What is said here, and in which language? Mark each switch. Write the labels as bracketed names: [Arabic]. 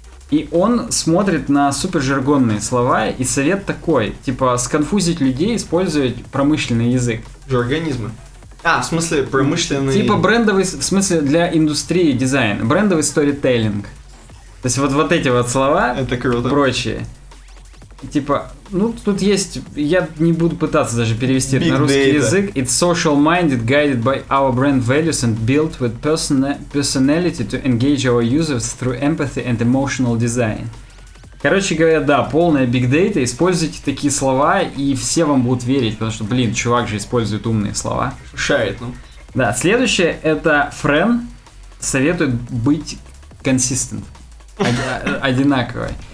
[Russian] И он смотрит на супержаргонные слова, и совет такой, типа, сконфузить людей, использовать промышленный язык. Жаргонизмы. А, в смысле промышленный... Типа брендовый, в смысле для индустрии дизайн. Брендовый сторителлинг. То есть вот эти вот слова. Это круто. Прочие. Типа, ну тут есть, я не буду пытаться даже перевести [English] Big [Russian] это на русский [English] data. [Russian] Язык. [English] It's social-minded, guided by our brand values and built with personality to engage our users through empathy and emotional design. [Russian] Короче говоря, да, полная big data, используйте такие слова, и все вам будут верить, потому что, блин, чувак же использует умные слова. Шарит, ну. Да, следующее, это Френ советует быть consistent, одинаковой.